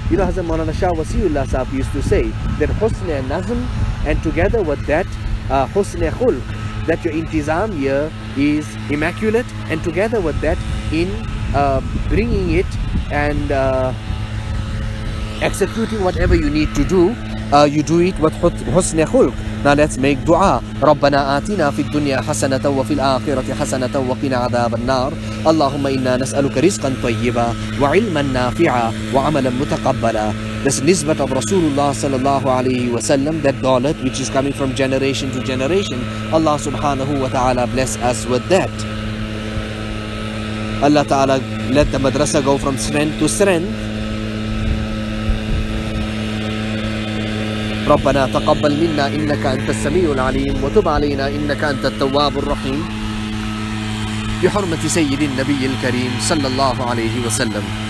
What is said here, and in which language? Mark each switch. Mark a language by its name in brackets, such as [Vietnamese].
[English] You know, Hazrat Maulana Shah Wasiullah Sahib used to say that husn and nazm, and together with that, husn and khulq, that your intizam here is immaculate, and together with that, in bringing it and executing whatever you need to do, you do it with husn khulq. Now let's make dua. [Arabic] ربنا آتنا في الدنيا حسنة وفي الآخرة حسنة وقنا عذاب النار. اللهم إنا نسألك رزقا طيبا وعلما نافعا وعملا متقبلا. [English] This nisbat of Rasulullah sallallahu alayhi wa sallam, that dawlat which is coming from generation to generation, Allah subhanahu wa ta'ala bless us with that. Allah ta'ala let the madrasa go from strength to strength. [Arabic] ربنا تقبل منا إنك أنت السميع العليم وتب علينا إنك أنت التواب الرحيم. بحرمة سيد النبي الكريم صلى الله عليه وسلم.